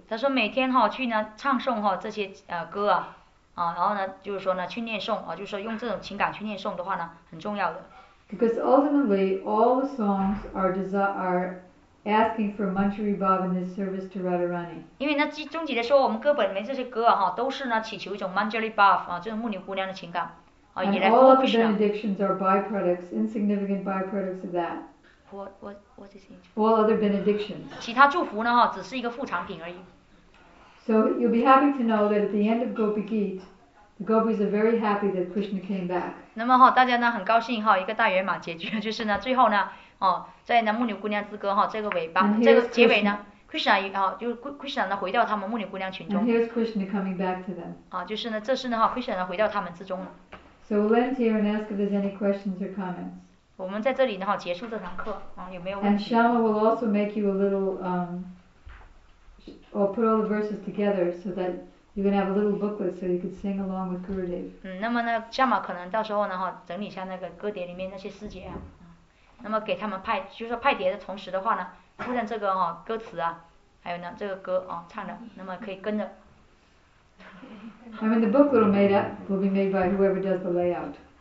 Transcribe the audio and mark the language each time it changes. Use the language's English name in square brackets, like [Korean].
[Chinese] 他说每天哈去呢唱诵哈这些歌啊，然后呢就是说呢去念诵啊，就是说用这种情感去念诵的话呢，很重要的。 [English] Because ultimately all the songs are asking for Manjari Bhav and his service to Radharani. [Chinese] 因为那终极的说，我们歌本里面这些歌哈，都是呢祈求一种 Manjari Bhav 啊，这种木牛姑娘的情感啊，以来服务 [English] Krishna. And all of the benedictions are byproducts, insignificant byproducts of that. What is it? All other benedictions. [Chinese] 其他祝福呢哈，只是一个副产品而已。 [English] So you'll be happy to know that at the end of Gopi Geet, the gopis are very happy that Krishna came back. [Chinese] 那么哈，大家呢很高兴哈，一个大圆满结局就是呢，最后呢，哦，在南木牛姑娘之歌哈这个尾巴这个结尾呢。 Krishna 啊，就 Krishna 呢回到他们牧牛姑娘群中。 [English] And here's Krishna coming back to them. [Chinese] 啊，就是呢，这是呢哈 ，Krishna 呢回到他们之中了。 [English] So we'll end here and ask if there's any questions or comments. [Chinese] 我们在这里呢哈结束这堂课，啊，有没有问题 [English] ？And Shama will also make you a little or put all the verses together so that you can have a little booklet so you can sing along with Gurudev. [Chinese] 嗯，那么呢 ，Shama 可能到时候呢哈整理一下那个歌碟里面那些诗节啊，那么给他们派，就是说派碟的同时的话呢。附上这个哦，歌词啊，还有呢，这个歌哦，唱的，那么可以跟着。 [English] I mean the booklet made up will be made by whoever does the layout.